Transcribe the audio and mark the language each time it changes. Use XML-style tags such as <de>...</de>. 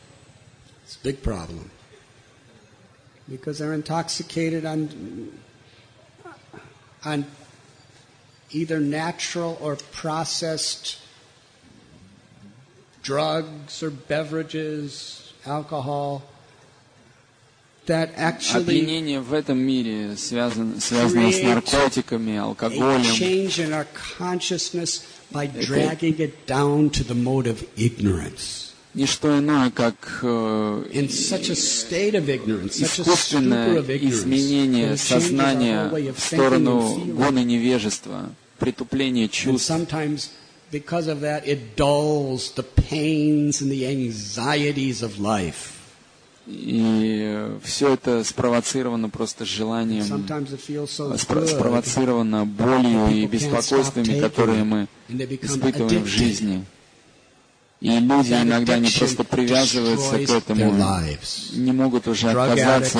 <ru>Это большая проблема. Потому что они интоксикированы на</ru> <en>either natural or processed drugs or beverages, alcohol, that actually</en> <ru>опьянение в этом мире связано с наркотиками, алкоголем.</ru> <en>Change in our consciousness by dragging it down to the mode of ignorance.</en> <ru>Не что иное, как</ru> <en>in such a state of ignorance,</en> <ru>искусственное изменение сознания в сторону гуны невежества, притупления чувств.</ru> <en>because of that, it dulls the pains and the anxieties of life.</en> <ru>И все это спровоцировано просто желанием, спровоцировано болью и беспокойствами, которые мы испытываем в жизни. И люди иногда не просто привязываются к этому, не могут уже отказаться.</ru>